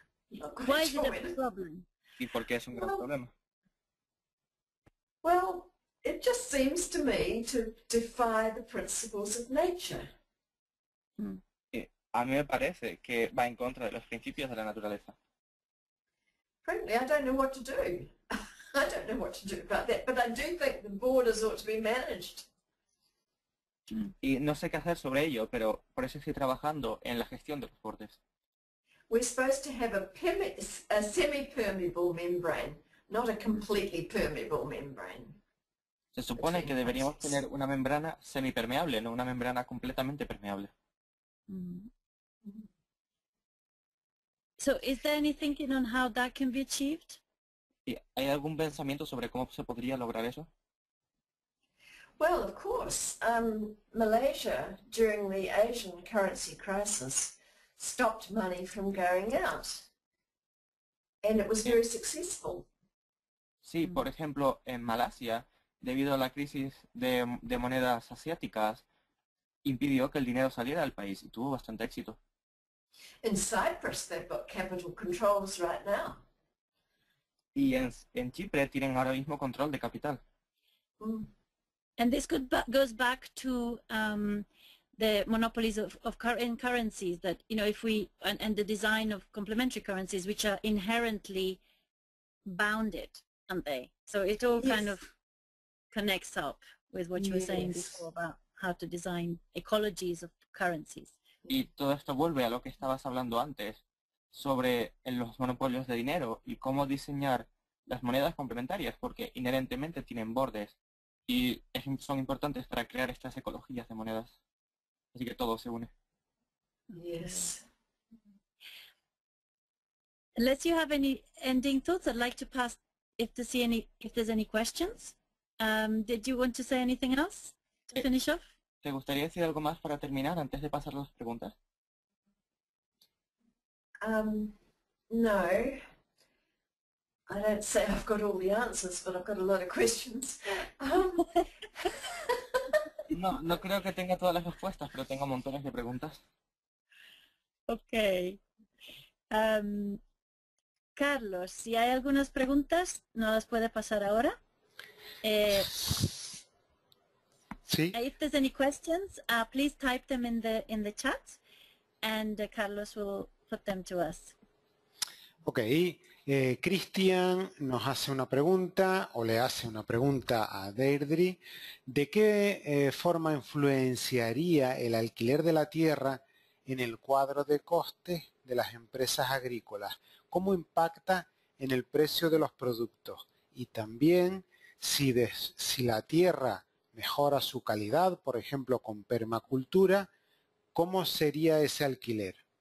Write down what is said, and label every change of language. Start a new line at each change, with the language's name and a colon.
English: Why is it a problem?
Spanish: ¿Y por qué es un gran problema?
English: Well, it just seems to me to defy the principles of nature.
Spanish: A mí me parece que va en contra de los principios de la naturaleza.
English: Frankly, I don't know what to do. I don't know what to do about that, but I do think the borders ought to be managed.
Spanish: Y no sé qué hacer sobre ello, pero por eso estoy trabajando en la gestión de los bordes.
English: We're supposed to have a semi-permeable membrane, not a completely permeable membrane.
Spanish: Se supone que deberíamos tener una membrana semipermeable, no una membrana completamente permeable.
English: So, is there any thinking on how that can be achieved?
Spanish: ¿Hay algún pensamiento sobre cómo se podría lograr eso?
English: Well, of course, Malaysia, during the Asian currency crisis, stopped money from going out. And it was very successful.
Spanish: Sí, por ejemplo, en Malasia, debido a la crisis de monedas asiáticas, impidió que el dinero saliera del país y tuvo bastante éxito.
English: In Cyprus, they've got capital controls right now.
Spanish: Y en Chipre tienen ahora mismo control de capital.
English: And this goes back to the monopolies of current currencies that, you know, if we, and the design of complementary currencies, which are inherently bounded, aren't they? So it all kind of connects up with what you were saying before about how to design ecologies of currencies.
Spanish: Y todo esto vuelve a lo que estabas hablando antes sobre los monopolios de dinero y cómo diseñar las monedas complementarias, porque inherentemente tienen bordes y son importantes para crear estas ecologías de monedas. Así que todo se une.
English: Yes. Unless you have any ending thoughts, I'd like to pass if there's any questions. Did you want to say anything else to finish off?
Spanish: ¿Te gustaría decir algo más para terminar antes de pasar las preguntas?
English: No. I don't say I've got all the answers, but I've got a lot of questions.
Spanish: No creo que tenga todas las respuestas, pero tengo montones de preguntas.
English: Okay.
Spanish: Carlos, si hay algunas preguntas, ¿no las puede pasar ahora?
English: If there's any questions, please type them in the chat, and Carlos will put them to us. Okay.
Spanish: Cristian nos hace una pregunta, o le hace una pregunta a Deirdre. ¿De qué forma influenciaría el alquiler de la tierra en el cuadro de costes de las empresas agrícolas? ¿Cómo impacta en el precio de los productos? Y también, si la tierra mejora su calidad, por ejemplo, con permacultura, ¿cómo sería ese alquiler?